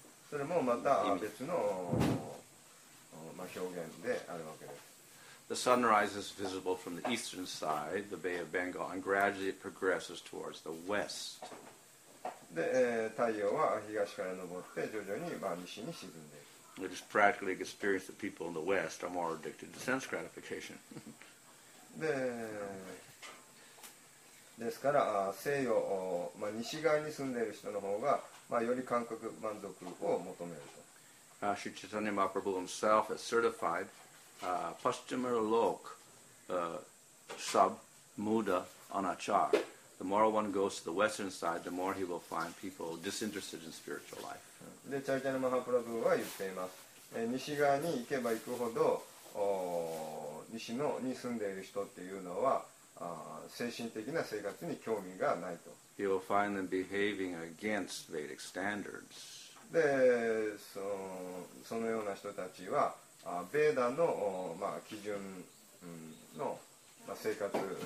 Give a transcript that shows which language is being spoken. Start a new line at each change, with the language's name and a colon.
Japanese: それもまた別の、表現であるわけです。
English: The sun rises visible from the eastern side, the Bay of Bengal, and gradually it progresses towards the west.
Japanese: で、太陽は東から昇って徐々に、西に沈んでいく。
English: It is practically experienced that people in the West are more addicted to sense gratification.
Japanese: で、ですから西洋、西側に住んでいる人の方が、より感覚満足を求めると。
English: Sri Chaitanya Mahaprabhu himself has certified
Bangla: Paschimura Lok Sub Muda Anachar.
English: The more one goes to the Western side, the more he will find people disinterested in spiritual life.
Japanese: で、チャイチャナ・マハプラブは言っています。西側に行けば行くほど西のに住んでいる人っていうのは精神的な生活に興味がないと。
English: He will find them behaving against Vedic standards.
Japanese: で、そのような人たちはベーダの、基準の、生活